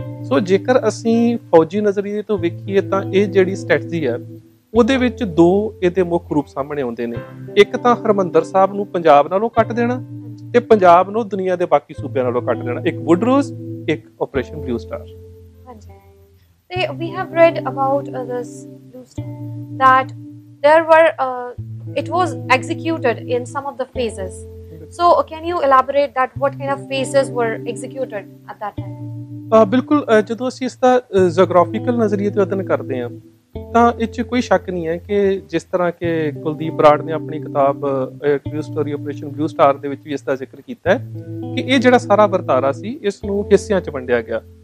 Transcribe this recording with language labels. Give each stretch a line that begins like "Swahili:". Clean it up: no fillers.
Punjabi: ਸੋ ਜੇਕਰ ਅਸੀਂ ਫੌਜੀ ਨਜ਼ਰੀਏ ਤੋਂ ਵੇਖੀਏ ਤਾਂ ਇਹ ਜਿਹੜੀ ਸਟ੍ਰੈਟਜੀ ਹੈ ਉਹਦੇ ਵਿੱਚ ਦੋ ਇਹਦੇ ਮੁੱਖ ਰੂਪ ਸਾਹਮਣੇ ਆਉਂਦੇ ਨੇ, ਇੱਕ ਤਾਂ ਹਰਿਮੰਦਰ ਸਾਹਿਬ ਨੂੰ ਪੰਜਾਬ ਨਾਲੋਂ ਕੱਟ ਦੇਣਾ ਅਤੇ ਪੰਜਾਬ ਨੂੰ ਦੁਨੀਆਂ ਦੇ ਬਾਕੀ ਸੂਬਿਆਂ ਨਾਲੋਂ ਕੱਟ ਦੇਣਾ, ਇੱਕ ਵੁੱਡ ਰੋਜ਼, ਇੱਕ operation blue star.
English: They, we have read about this blue star that there were it was executed in some of the phases. So can you elaborate that what kind of phases were executed at that time?
Punjabi: Bilkul jadon assi is da geographical nazariye te vadan karde ha ਤਾਂ ਇਹ 'ਚ ਕੋਈ ਸ਼ੱਕ ਨਹੀਂ ਹੈ ਕਿ ਜਿਸ ਤਰ੍ਹਾਂ ਕਿ ਕੁਲਦੀਪ ਬਰਾੜ ਨੇ ਆਪਣੀ ਕਿਤਾਬ blue story operation blue star ਦੇ ਵਿੱਚ ਵੀ ਇਸ ਦਾ ਜ਼ਿਕਰ ਕੀਤਾ ਹੈ ਕਿ ਇਹ ਜਿਹੜਾ ਸਾਰਾ ਵਰਤਾਰਾ ਸੀ ਇਸ ਨੂੰ ਹਿੱਸਿਆਂ 'ਚ ਵੰਡਿਆ ਗਿਆ।